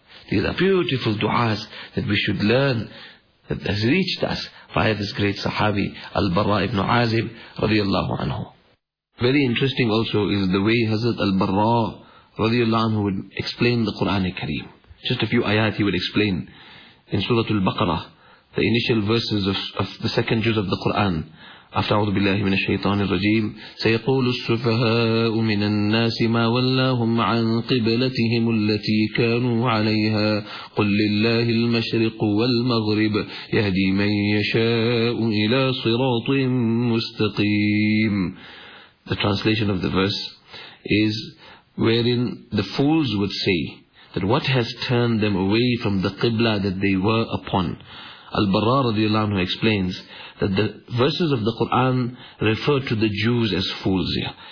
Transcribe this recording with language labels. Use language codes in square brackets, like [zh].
[en] These are beautiful du'as that we should learn, that has reached us via this great sahabi, Al-Barra ibn Azib radiyallahu anhu. Very interesting also is the way Hazrat Al-Barra radiyallahu anhu would explain the Qur'an al-Kareem. Just a few ayat he would explain in Surah Al-Baqarah, the initial verses of the second juz of the Qur'an. [ar] After أعوذ بالله من الشيطان الرجيم سيقول السفهاء من الناس ما ولاهم عن قبلتهم التي كانوا عليها قل لله المشرق والمغرب يهدي من يشاء إلى صراط مستقيم. [en] The translation of the verse is wherein the fools would say that what has turned them away from the qibla that they were upon. Al-Barra radiallahu anhu explains that the verses of the Qur'an refer to the Jews as fools here.